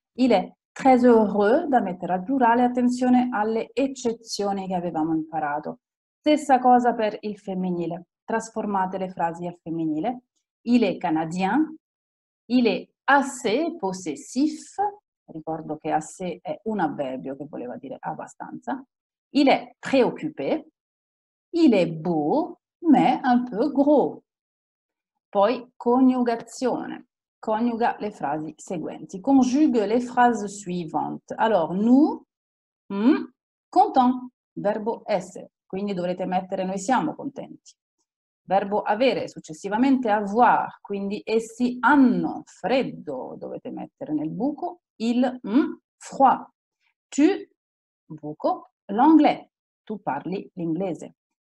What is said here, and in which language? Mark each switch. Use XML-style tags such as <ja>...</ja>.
<fr>Il est très heureux,</fr> <it>da mettere al plurale. Attenzione alle eccezioni che avevamo imparato. Stessa cosa per il femminile. Trasformate le frasi al femminile.</it> <fr>Il est canadien. Il est assez possessif.</fr> <it>Ricordo che assez è un avverbio che voleva dire abbastanza.</it> <fr>Il est préoccupé. Il est beau, mais un peu gros.</fr> <it>Poi coniugazione. Coniuga le frasi seguenti.</it> <fr>Conjugue les phrases suivantes. Alors, nous, content,</fr> <it>verbo essere. Quindi dovrete mettere noi siamo contenti. Verbo avere, successivamente avoir, quindi essi hanno freddo, dovete mettere nel buco il froid. Tu, buco,</it> <fr>l'anglais,</fr> <it>tu parli l'inglese.</it>